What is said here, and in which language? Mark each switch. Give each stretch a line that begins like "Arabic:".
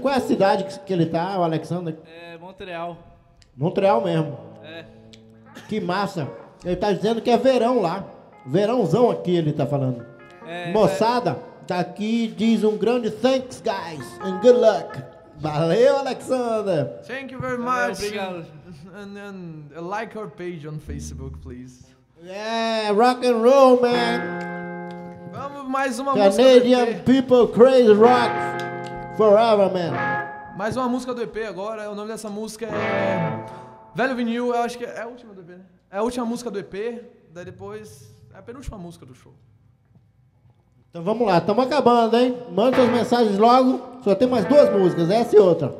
Portuguese: Qual é a cidade que ele tá, o Alexander? É Montreal. Montreal mesmo. É. Que massa. Ele tá dizendo que é verão lá. Verãozão aqui, ele tá falando. Moçada, daqui diz um grande
English: thanks, guys. And good luck.
Portuguese: Valeu,
English: Alexander. Thank you very much.
Portuguese: Obrigado.
English: And like our page on Facebook, please. Yeah, rock and roll, man.
Portuguese: Vamos mais uma
English: Canadian
Portuguese: música.
English: Canadian People Crazy Rock Forever, man.
Portuguese: Mais uma música do EP agora. O nome dessa música é Velho Vinil. Eu acho que é a última do EP, né? É a última música do EP. Daí depois é a penúltima música do show. Então vamos lá. Estamos acabando, hein? Manda suas mensagens logo. Só tem mais duas músicas, essa e outra.